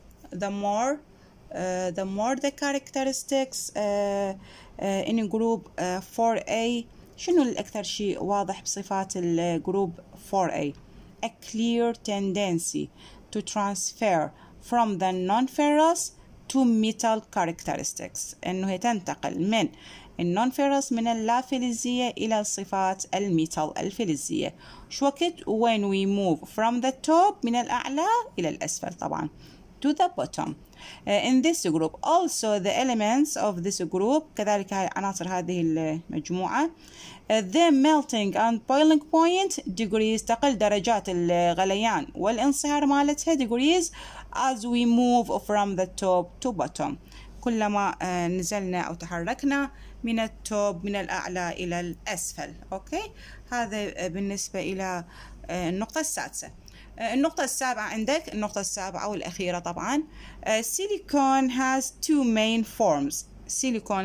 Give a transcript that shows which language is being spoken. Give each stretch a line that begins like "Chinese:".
English: The more the characteristics in group 4A.
Arabic: شنو الأكثر شيء واضح بصفات الجروب 4A؟
English: A clear tendency to transfer from the non-ferrous to metal characteristics.
Arabic: إنه هي تنتقل من النون-ferrous من اللافلزية إلى صفات الميتال الفلزية. شو وقت؟
English: When we move from the top
Arabic: من الأعلى إلى الأسفل طبعاً.
English: To the bottom. In this group, also the elements of this group,
Arabic: كذلك عناصر هذه المجموعة,
English: the melting and boiling point degrees,
Arabic: تقل درجات الغليان والانصهار مالتها
English: degrees as we move from the top to bottom.
Arabic: كلما نزلنا أو تحركنا من التوب من الأعلى إلى الأسفل. أوكي، هذا بالنسبة إلى النقطة السادسة. النقطة السابعة عندك، النقطة السابعة والأخيرة طبعا.
English: Silicon has two main forms.
Arabic: سيليكون.